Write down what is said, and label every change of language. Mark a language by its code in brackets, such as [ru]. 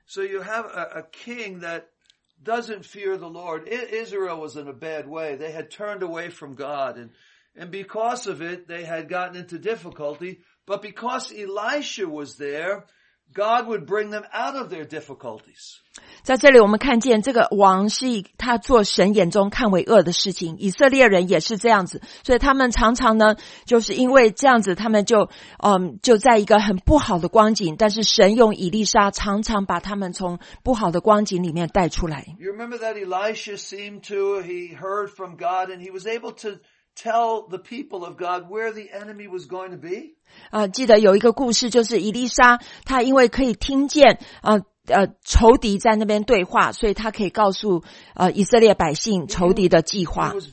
[en] So you have a king that doesn't fear the Lord. Israel was in a bad way. They had turned away from God, and because of it, they had gotten into difficulty. But because Elisha was there, God would bring them out of their difficulties. [zh] 在这里我们看见这个王是他做神眼中看为恶的事情，以色列人也是这样子，所以他们常常呢就是因为这样子，他们就在一个很不好的光景，但是神用以利沙常常把他们从不好的光景里面带出来。 [en] You remember that Elisha seemed to, he heard from God and he was able to tell the people of God where the enemy was going to be? [zh] 记得有一个故事，就是以利沙他因为可以听见仇敌在那边对话，所以他可以告诉以色列百姓仇敌的计划。